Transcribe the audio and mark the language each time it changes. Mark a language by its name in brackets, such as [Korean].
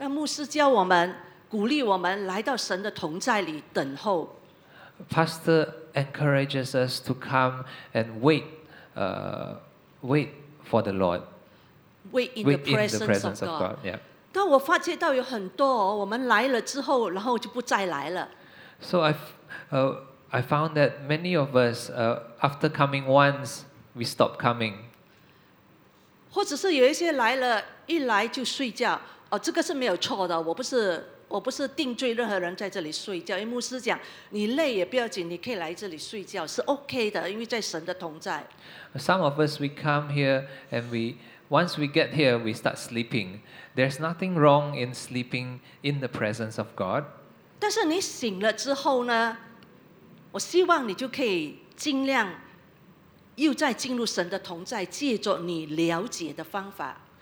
[Chinese] 让牧师教我们，鼓励我们来到神的同在里等候。 [English] Pastor encourages us to come and wait, wait for the Lord. Wait in the presence of God. Yeah. [Chinese] 但我发觉到有很多哦，我们来了之后，然后就不再来了。 [English] So I found that many of us, after coming once, we stopped coming. [Chinese] 或者是有一些来了一来就睡觉，哦，这个是没有错的，我不是定罪任何人在这里睡觉，因为牧师讲你累也不要紧，你可以来这里睡觉是 OK 的，因为在神的同在。 [English] Some of us, we come here and once we get here, we start sleeping. There's nothing wrong in sleeping in the presence of God. [Chinese] 但是你醒了之后呢，我希望你就可以尽量又再进入神的同在，借着你了解的方法。